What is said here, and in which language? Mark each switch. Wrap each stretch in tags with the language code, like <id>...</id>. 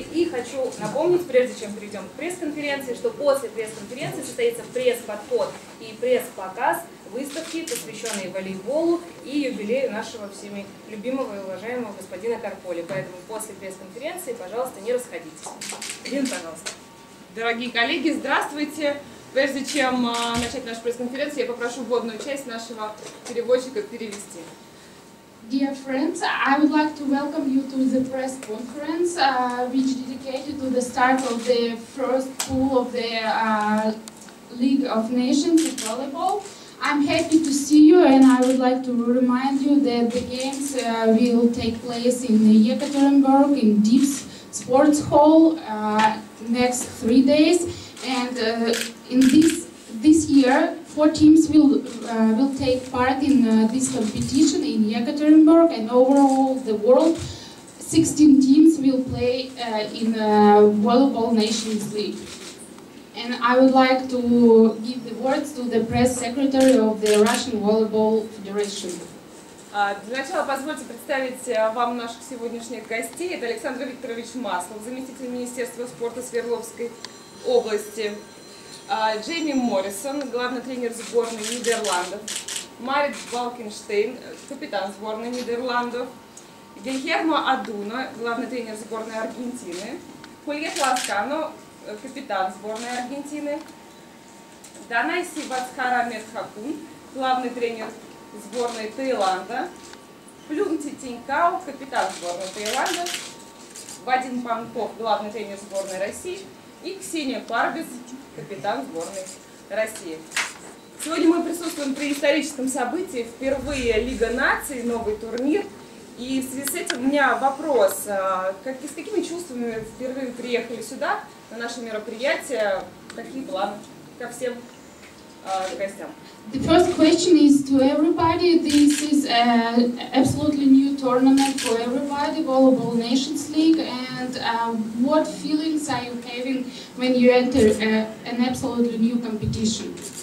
<ru>И хочу напомнить, прежде чем перейдем к пресс-конференции, что после пресс-конференции состоится пресс-подход и пресс-показ выставки, посвященные волейболу и юбилею нашего всеми любимого и уважаемого господина Карполи. Поэтому после пресс-конференции, пожалуйста, не расходитесь. Ирина, пожалуйста. Дорогие коллеги, здравствуйте. Прежде чем начать нашу пресс-конференцию, я попрошу вводную часть нашего переводчика перевести.</ru> <en>Dear friends, I would like to welcome you to the press conference, which dedicated to the start of the first pool of the League of Nations in volleyball. I'm happy to see you, and I would like to remind you that the games will take place in Yekaterinburg in Deep Sports Hall next 3 days. And in this year, 4 teams will take part in this competition in Yekaterinburg, and overall the world, 16 teams will play in Volleyball Nations League. And I would like to give the words to the press secretary of the Russian Volleyball Federation.</en> <ru>Для начала позвольте представить вам наших сегодняшних гостей. Это Александр Викторович Маслов, заместитель Министерства спорта Свердловской области. Джейми Моррисон, главный тренер сборной Нидерландов. Марит Балкенштейн, капитан сборной Нидерландов. Гильермо Адуна, главный тренер сборной Аргентины. Хульет Ласкано, капитан сборной Аргентины. Данайси Ватхара Метхакун, главный тренер сборной Таиланда. Плюнти Тинькау, капитан сборной Таиланда. Вадим Панков, главный тренер сборной России. И Ксения Парбис, капитан сборной России. Сегодня мы присутствуем при историческом событии. Впервые Лига наций, новый турнир. И в связи с этим у меня вопрос. С какими чувствами впервые приехали сюда, на наше мероприятие? Какие планы ко всем гостям?</ru> <en>The first question is to everybody. This is absolutely new tournament for everybody, Volleyball Nations League. And what feelings are you having when you enter an absolutely new competition?</en>